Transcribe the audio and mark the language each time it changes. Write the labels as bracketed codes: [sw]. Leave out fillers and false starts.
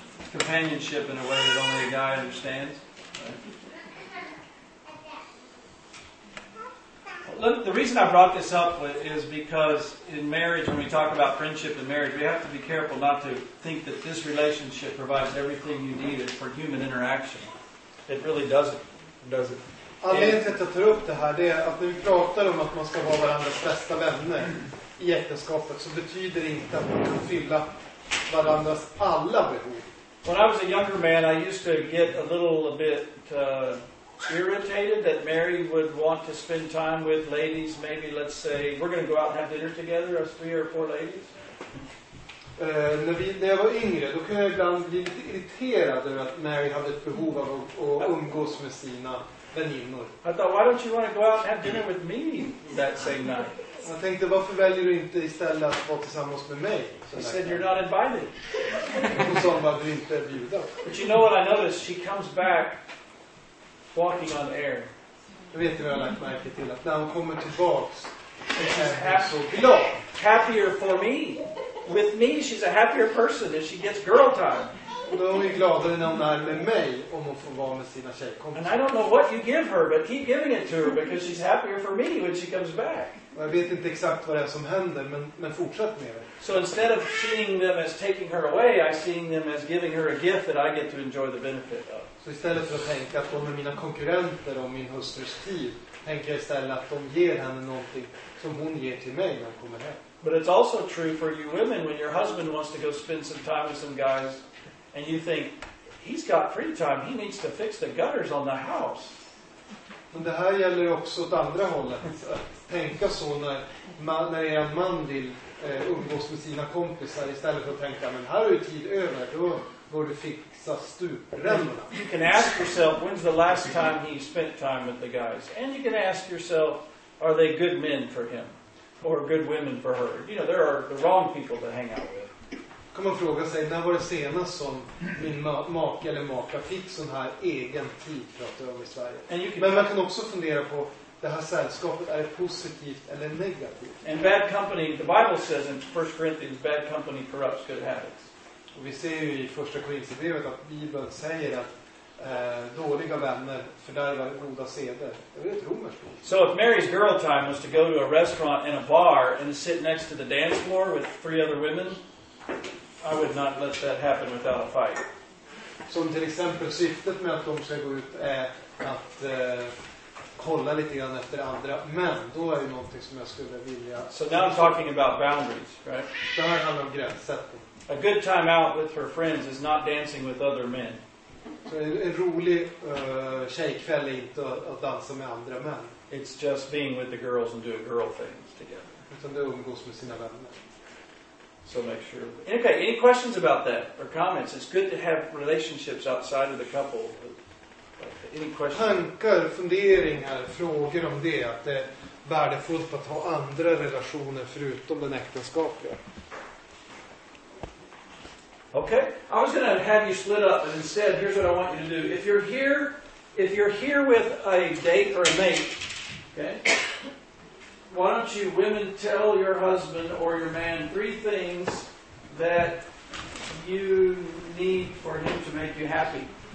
[en] Companionship in a way that only a guy understands. Right? Look, the reason I brought this up is because in marriage, when we talk about friendship in marriage, we have to be careful not to think that this relationship provides everything you needed for human interaction. It really doesn't. It doesn't. [sv] Anledningen till att jag tar upp det här är att när vi pratar om att man ska vara varandras bästa vänner i äktenskapet så betyder det inte att man kan fylla varandras alla behov. [en] When I was a younger man I used to get a little bit irritated that Mary would want to spend time with ladies, maybe let's say we're going to go out and have dinner together, us three or four ladies. [sv] När jag var yngre, då kunde jag ibland bli lite irriterad över att Mary hade ett behov av att umgås med sina. [en] I thought, why don't you want to go out and have dinner with me that same night? [sv] I tänkte, varför väljer du inte istället att vara tillsammans med mig? [en] She said, you're not invited. [sv] Hon sa, bara, du är inte bjuden. [en] But you know what I noticed? She comes back walking on air. [sv] Jag vet inte vad jag lagt märke till, att när hon kommer tillbaka, [en] she's happy, so happier for me. With me, she's a happier person if she gets girl time. [sv] Då är hon gladare när hon är med mig om hon får vara med sina tjejkompisar. [en] And I don't know what you give her, but keep giving it to her because she's happier for me when she comes back. [sv] Jag vet inte exakt vad det är som händer, men fortsätt med det. [en] So instead of seeing them as taking her away, I seeing them as giving her a gift that I get to enjoy the benefit of. [sv] Så istället för att tänka att de är mina konkurrenter om min hustrus tid, tänker jag istället att de ger henne någonting som hon ger till mig när hon kommer hem. [en] But it's also true for you women when your husband wants to go spend some time with some guys. And you think, he's got free time, he needs to fix the gutters on the house. [sv] Men det här gäller också åt andra hållet. Tänka så när en man vill umgås med sina kompisar istället för att tänka, men här är ju tid över, då går du fixa stuprämmorna. [en] You can ask yourself, when's the last time he spent time with the guys? And you can ask yourself, are they good men for him? Or good women for her? You know, there are the wrong people to hang out with. [sv] Kan man fråga sig, när var det senast som min make eller maka fick sån här egen tid pratar om i Sverige? Men man kan också fundera på, det här sällskapet, är det positivt eller negativt? [en] And bad company, the Bible says in 1 Corinthians, bad company corrupts good habits. [sv] Och vi ser ju i första Korinthierbrevet att Bibeln säger att dåliga vänner fördärvar goda seder. Det är ett romerskt ord. [en] So if Mary's girl time was to go to a restaurant and a bar and sit next to the dance floor with three other women, I would not let that happen without a fight. [sv] Som till exempel syftet med att de ska gå ut är att kolla lite grann efter andra män. Då är det någonting som jag skulle vilja. [en] So now I'm talking about boundaries, right? [sv] Det här handlar om gränssättning. [en] A good time out with her friends is not dancing with other men. [sv] Så en rolig tjejkväll är inte att dansa med andra män. [en] It's just being with the girls and doing girl things together. [sv] Utan det är att umgås med sina vänner. [en] So make sure. Okay, any questions about that or comments? It's good to have relationships outside of the couple. Any questions? [sv] Tankar, funderingar, frågor om det, att det är värdefullt att ha andra relationer förutom den äktenskapliga. [en] Okay, I was going to have you split up, and instead, here's what I want you to do. If you're here with a date or a mate, okay, why don't you women tell your husband or your man three things that you need for him to make you happy?